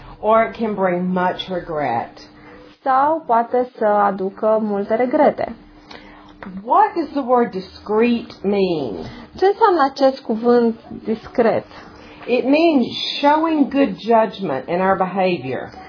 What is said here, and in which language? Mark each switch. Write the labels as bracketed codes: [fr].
[en] Or it can bring much regret. [ro] Sau poate să aducă multe regrete. [en] What does the word discreet mean? [ro] Ce înseamnă acest cuvânt discret? [en] It means showing good judgment in our behavior.